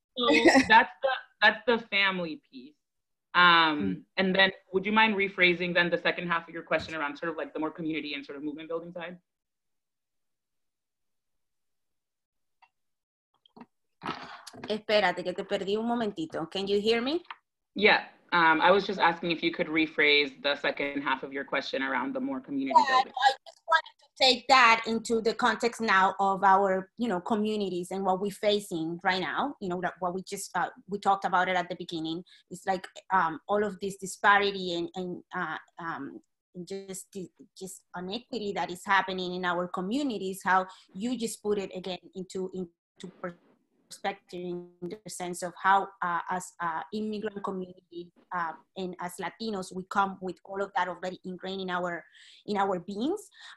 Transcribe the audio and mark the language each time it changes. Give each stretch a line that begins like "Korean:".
English: So that's the family piece. And then would you mind rephrasing then the second half of your question around sort of like the more community and sort of movement building side?
Spanish: Espérate, que te perdí un momentito.
English: Can you hear me? Yeah. I was just asking if you could rephrase the second half of your question around the more community building. I just wanted to take that into the context now of our, you know, communities and what we're facing right now. You know, what we just, we talked about it at the beginning. It's like all of this disparity and just inequity that is happening in our communities, how you just put it again into perspective in the sense of how as an immigrant community and as Latinos, we come with all of that already ingrained in our beings.